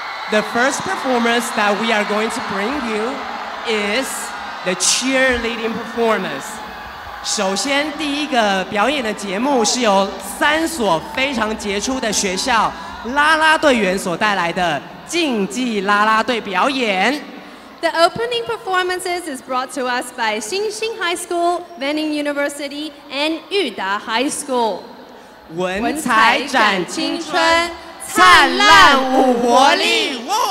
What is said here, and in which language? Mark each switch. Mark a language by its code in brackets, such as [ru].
[en] The first performance that we are going to bring you is the cheerleading performance. [zh] 首先第一个表演的节目是由三所非常杰出的学校啦啦队员所带来的竞技啦啦队表演。 [en] The opening performances is brought to us by 新兴 High School, Vening University and 裕达 High School. [zh] 文采展青春，灿烂舞活力。